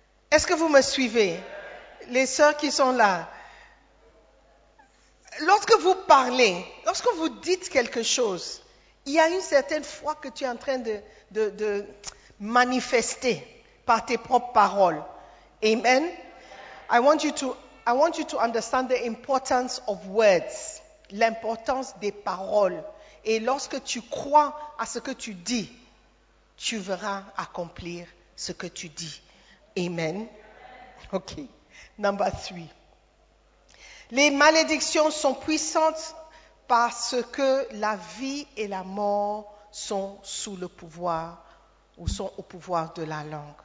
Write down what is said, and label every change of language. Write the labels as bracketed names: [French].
[French] Est-ce que vous me suivez? Les sœurs qui sont là. Lorsque vous parlez, lorsque vous dites quelque chose, il y a une certaine foi que tu es en train de manifester par tes propres paroles. Amen. [English] I want you to understand the importance of words, [French] l'importance des paroles. Et lorsque tu crois à ce que tu dis, tu verras accomplir ce que tu dis. Amen. Ok. [English] Number three. [French] Les malédictions sont puissantes parce que la vie et la mort sont sous le pouvoir ou sont au pouvoir de la langue.